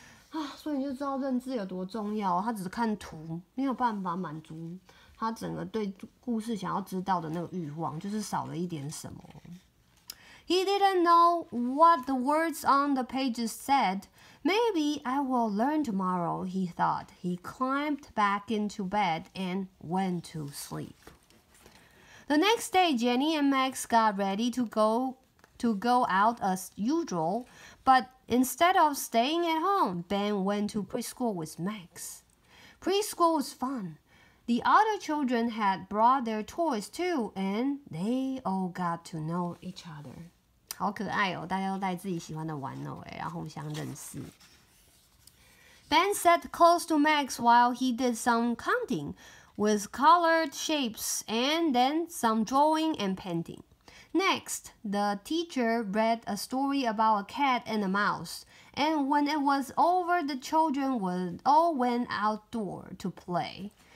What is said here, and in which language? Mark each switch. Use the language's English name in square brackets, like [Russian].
[Chinese] 啊，所以你就知道认字有多重要。他只是看图，没有办法满足。他整个对故事想要知道的那个欲望就是少了一点什么。 [English] He didn't know what the words on the pages said. Maybe I will learn tomorrow, he thought. He climbed back into bed and went to sleep. The next day, Jenny and Max got ready to go out as usual. But instead of staying at home, Ben went to preschool with Max. Preschool was fun. The other children had brought their toys too, and they all got to know each other. [Chinese] 好可爱哦，大家都带自己喜欢的玩偶哎，然后互相认识。 [English] Ben sat close to Max while he did some counting with colored shapes and then some drawing and painting. Next, the teacher read a story about a cat and a mouse, and when it was over, the children all went outdoor to play.